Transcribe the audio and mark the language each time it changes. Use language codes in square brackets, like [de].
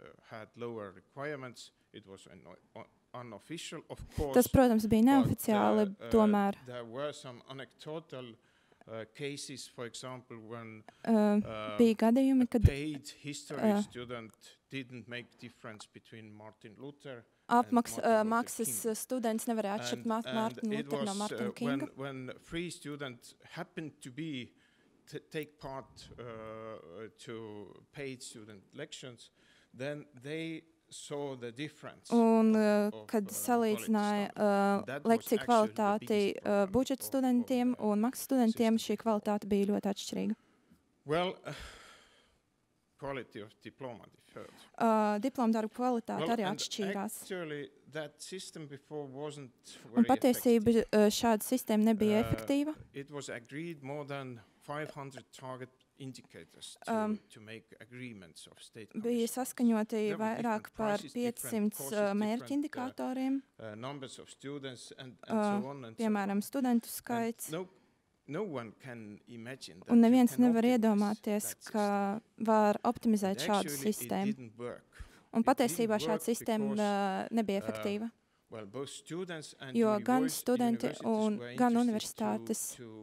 [en] Had lower requirements. It was unofficial, of course. [lv] Tas, protams, bija neoficiāli, tomēr. [en] There were some anecdotal cases, for example, when [lv] bija gadījumi, kad [en] paid history student didn't make difference between Martin Luther [lv] maksas students nevarēja atšķirt Martin Luther no Martin Kinga. [en] When free student happened to be take part to paid student lectures, then they saw the difference. [lv] Un kad salīdzināja lekciju kvalitāti budžeta studentiem un maksas studentiem, šī kvalitāte bija ļoti atšķirīga. [en] Well, quality of diploma differed. [lv] Diploma darba kvalitāte arī atšķīrās. [en] Actually, that system before wasn't very effective. [lv] Un patiesība šāda sistēma nebija efektīva. [en] It was agreed more than 500 target indicators to make agreements of state commission. [lv] Bija saskaņoti vairāk par 500 mērķu indikatoriem. [en] Numbers of students and so on. [lv] Piemēram, studentu skaits. [en] No one can imagine that. [lv] Un neviens nevar iedomāties, ka var optimizēt šādu sistēmu. Un patiesībā šāda sistēma nebija efektīva. [en] Well, both students and [lv] jo gan studenti un gan universitātes